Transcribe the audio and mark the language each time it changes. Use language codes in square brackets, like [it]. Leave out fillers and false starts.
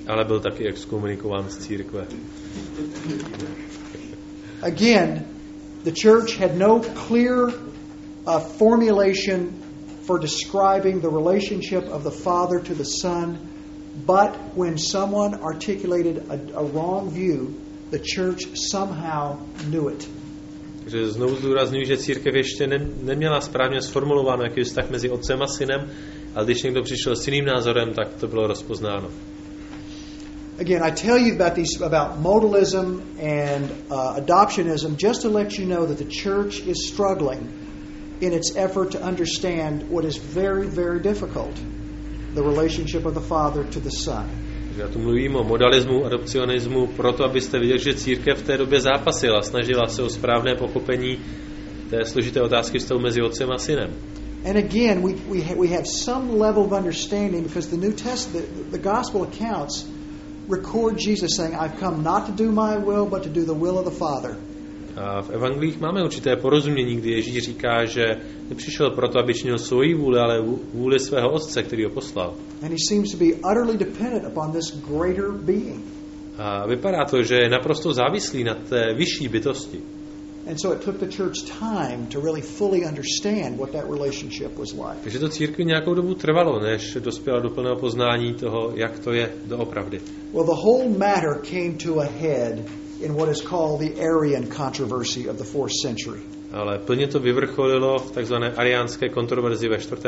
[cs] Ale byl taky exkomunikován z církve. [en] Again, the church had no clear formulation for describing the relationship of the Father to the Son, but when someone articulated a wrong view, the church somehow knew it. [cs] Takže znovu zdůrazňuji, že církev ještě neměla správně sformulováno, jaký je vztah mezi otcem a synem, ale když někdo přišel s jiným názorem, tak to bylo rozpoznáno. [en] Again, I tell you about these about modalism and adoptionism just to let you know that the church is struggling in its effort to understand what is very, very difficult, the relationship of the Father to the Son. [cs] Já tu mluvím o modalismu, adopcionismu, proto abyste viděli, že církev v té době zápasila, snažila se o správné pochopení té složité otázky vztahu mezi otcem a synem. [en] And again, we have some level of understanding because the New Testament, the gospel accounts record Jesus saying, "I've come not to do my will, but to do the will of the Father." [cs] A v evangelích máme určité porozumění, kdy Ježíš říká, že nepřišel proto, aby činil svoji vůli, ale vůli svého otce, který ho poslal. [en] And he seems to be utterly dependent upon this greater being. [cs] A vypadá to, že je naprosto závislý na té vyšší bytosti. [en] And so it took the church time to really fully understand what that relationship was like. [cs] Takže to církvi nějakou dobu trvalo, než dospěla do plného poznání toho, jak to je doopravdy. [en] Well, the whole matter came to a head in what is called the Arian controversy of the 4th century. [cs] Ale plně to vyvrcholilo v takzvané ariánské kontroverzi ve 4.